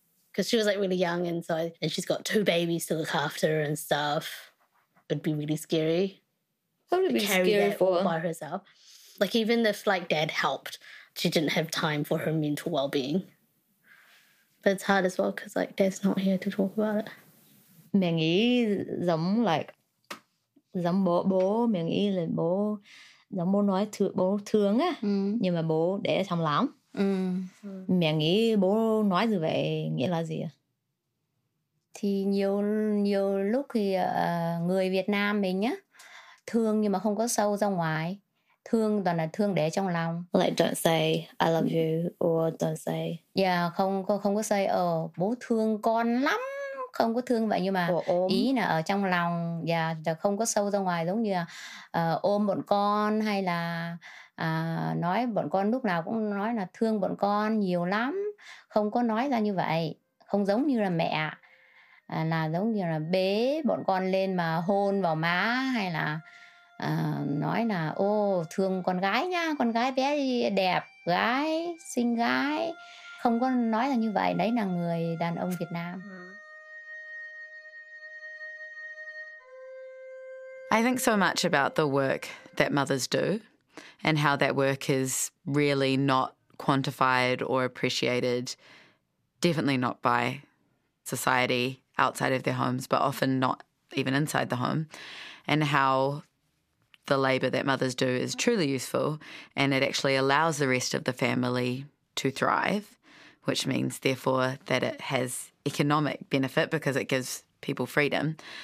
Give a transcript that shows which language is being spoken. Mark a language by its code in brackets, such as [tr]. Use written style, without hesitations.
[en] Because she was, like, really young and so and she's got two babies to look after and stuff. It'd be really scary. What would it be scary for? By herself. Like, even if, like, dad helped, she didn't have time for her mental well-being. But it's hard as well because, like, dad's not here to talk about it. [vi] Mẹ nghĩ giống, like, giống bố. Mẹ nghĩ là bố, giống bố nói bố thương á. Nhưng mà bố để trong lòng. Mẹ nghĩ bố nói như vậy nghĩa là gì? Thì nhiều lúc thì người Việt Nam mình á thương nhưng mà không có sâu ra ngoài, thương toàn là thương để trong lòng. [en] Like don't say I love you or don't say. [vi] Yeah, không có say bố thương con lắm, không có thương vậy, nhưng mà ý là ở trong lòng, không có sâu ra ngoài giống như là ôm bọn con hay là nói bọn con lúc nào cũng nói là thương bọn con nhiều lắm, không có nói ra như vậy, không giống như là mẹ là giống như là bế bọn con lên mà hôn vào má hay là nói là ô thương con gái nha, con gái bé đẹp gái xinh gái, không có nói ra như vậy. Đấy là người đàn ông Việt Nam. [en] I think so much about the work that mothers do and how that work is really not quantified or appreciated, definitely not by society outside of their homes, but often not even inside the home, and how the labour that mothers do is truly useful, and it actually allows the rest of the family to thrive, which means, therefore, that it has economic benefit because it gives people freedom.